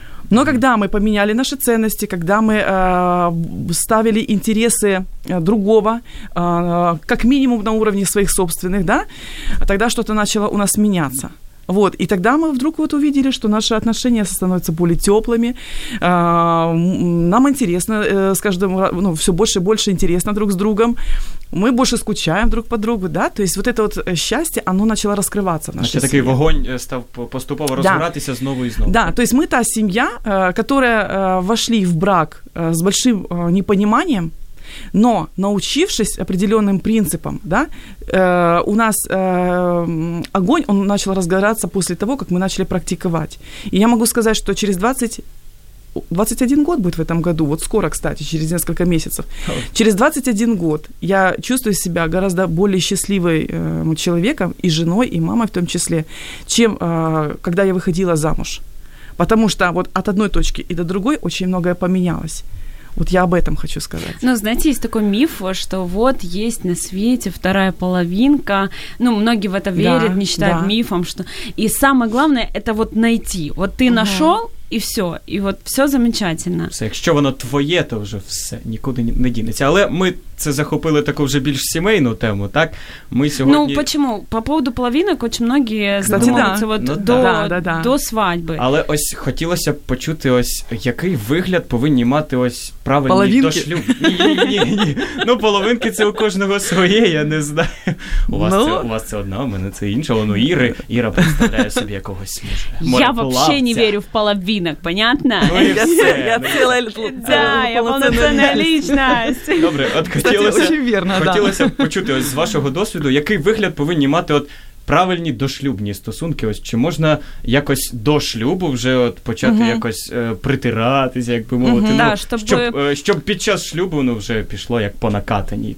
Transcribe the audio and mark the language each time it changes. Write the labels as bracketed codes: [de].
[ru] Но когда мы поменяли наши ценности, когда мы ставили интересы другого, как минимум на уровне своих собственных, да, тогда что-то начало у нас меняться. Вот, и тогда мы вдруг вот увидели, что наши отношения становятся более теплыми, нам интересно с каждым, ну, все больше и больше интересно друг с другом, мы больше скучаем друг по другу, да, то есть вот это вот счастье, оно начало раскрываться в нашей семье. [uk] Такий вогонь став поступово розгоратися, да, знову і знову. [ru] Да, то есть мы [uk] та сім'я, [ru] которая вошли в брак с большим непониманием, но научившись определенным принципам, да, у нас огонь, он начал разгораться после того, как мы начали практиковать. И я могу сказать, что через 21 год будет в этом году, вот скоро, кстати, через несколько месяцев, через 21 год я чувствую себя гораздо более счастливым человеком и женой, и мамой в том числе, чем когда я выходила замуж. Потому что вот от одной точки и до другой очень многое поменялось. Вот я об этом хочу сказать. Ну, знаете, есть такой миф, что вот есть на свете вторая половинка. Ну, многие в это верят, да, не считают, да, мифом. Что... И самое главное – это вот найти. Вот ты нашел, и все. И вот все замечательно. Все. [uk] Якщо воно твоє, то вже все. Нікуди не дінеться. Але ми це захопили таку вже більш сімейну тему, так? Ми сьогодні... [ru] Ну, почему? По поводу половинок очень многие задумываются, да, вот, ну, до, да, да, да, до свадьбы. [uk] Але ось хотілося б почути, ось, який вигляд повинні мати ось правильні половинки? До шлюбу. Ні. Ну, половинки – це у кожного своє, я не знаю. У вас це одна, у мене це інша. Ну, Іри. Іра представляє собі якогось мужа. [ru] Я вообще не верю в половинки. Винок, понятно? Ну, я целая личность. Да, я полноценная личность. [uk] Добре, от хотілося б почути ось з вашого досвіду, який вигляд повинні мати от правильні дошлюбні стосунки. Ось чи можна якось до шлюбу вже от почати якось притиратися, як би мовити. [ru] Да, [uk] ну, щоб під час шлюбу, ну, вже пішло як по накатаній.